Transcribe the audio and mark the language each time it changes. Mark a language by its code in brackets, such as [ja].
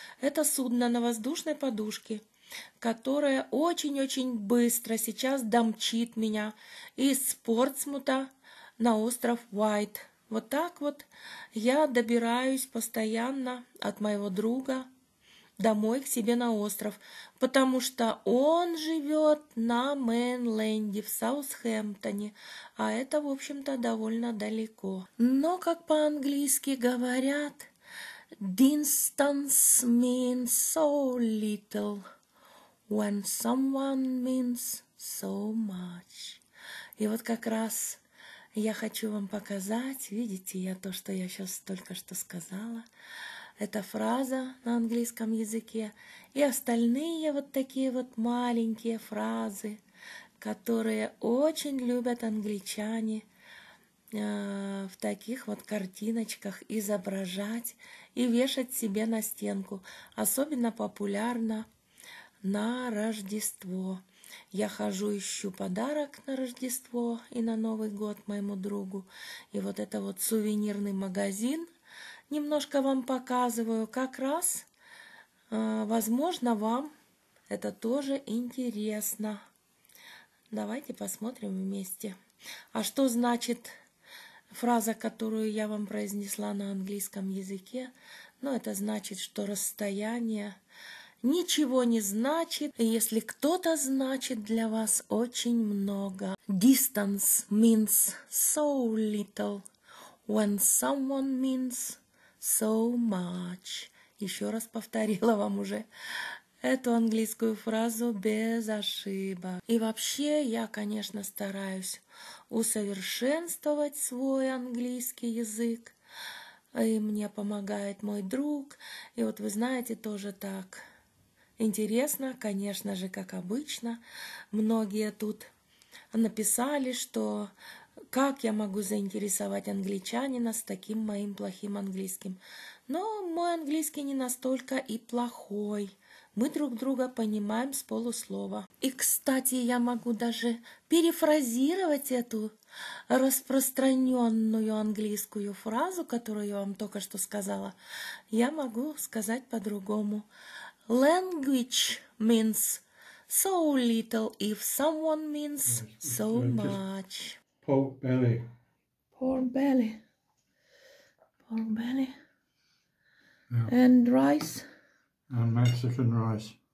[ru] Это судно на воздушной подушке, которое очень-очень быстро сейчас домчит меня из Портсмута на остров Уайт. Вот так вот я добираюсь постоянно от моего друга домой к себе на остров, потому что он живет на Мейнленде в Саутгемптоне, а это, в общем-то, довольно далеко. Но, как по-английски говорят, [en] distance means so little when someone means so much. [ru] И вот как раз я хочу вам показать, видите, я то, что я сейчас только что сказала, это фраза на английском языке, и остальные вот такие вот маленькие фразы, которые очень любят англичане в таких вот картиночках изображать и вешать себе на стенку. Особенно популярно на Рождество. Я хожу, ищу подарок на Рождество и на Новый год моему другу. И вот это вот сувенирный магазин, немножко вам показываю, как раз, возможно, вам это тоже интересно. Давайте посмотрим вместе. А что значит фраза, которую я вам произнесла на английском языке? Ну, это значит, что расстояние ничего не значит, если кто-то значит для вас очень много. [en] Distance means so little when someone means so much. [ru] Еще раз повторила вам уже эту английскую фразу без ошибок. И вообще, я, конечно, стараюсь усовершенствовать свой английский язык. И мне помогает мой друг. И вот вы знаете, тоже так интересно, конечно же, как обычно. Многие тут написали, что как я могу заинтересовать англичанина с таким моим плохим английским? Но мой английский не настолько и плохой. Мы друг друга понимаем с полуслова. И, кстати, я могу даже перефразировать эту распространенную английскую фразу, которую я вам только что сказала. Я могу сказать по-другому. [en] Language means so little if someone means so much. Pork belly. Pork belly. Yeah. And rice. And Mexican rice.